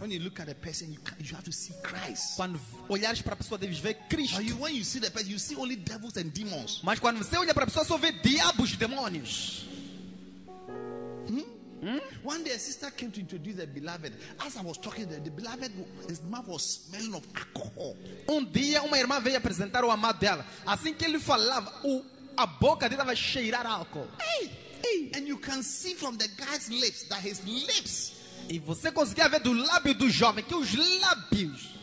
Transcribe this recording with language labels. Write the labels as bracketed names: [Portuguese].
[English] When you look at a person, you have to see Christ. [Portuguese] Quando olhares para a pessoa, deves ver Cristo. [English] But when you see the person, you see only devils and demons. [Portuguese] Mas quando você olha para a pessoa, só vê diabos e demônios. [English] One day a sister came to introduce a beloved. As I was talking, the beloved, his mouth was smelling of alcohol. [Portuguese] Um dia uma irmã veio apresentar o amado dela. Assim que ele falava, a boca dele estava a cheirar álcool. [English] Hey, and you can see from the guy's lips that his lips. [Portuguese] E você conseguia ver do lábio do jovem que os lábios.